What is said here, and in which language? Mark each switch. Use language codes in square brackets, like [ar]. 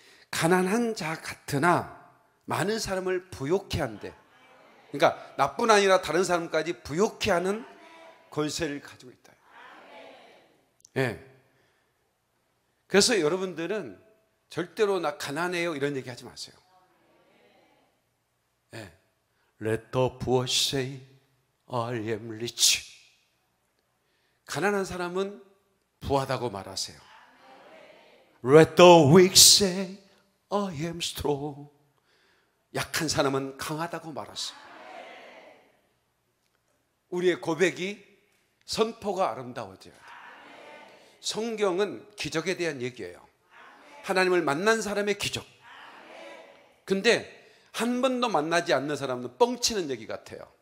[ko] 가난한 자 같으나 많은 사람을 부욕해 한대. 그러니까 나뿐 아니라 다른 사람까지 부욕해 하는 권세를 가지고 있다. 예. 그래서 여러분들은 절대로 나 가난해요 이런 얘기 하지 마세요. 예. [en] Let the poor say, I am rich. [ko] 가난한 사람은 부하다고 말하세요. [en] Let the weak say, I am strong. [ko] 약한 사람은 강하다고 말하세요. 우리의 고백이, 선포가 아름다워져야 돼요. 성경은 기적에 대한 얘기예요. 하나님을 만난 사람의 기적. 근데 한 번도 만나지 않는 사람은 뻥치는 얘기 같아요.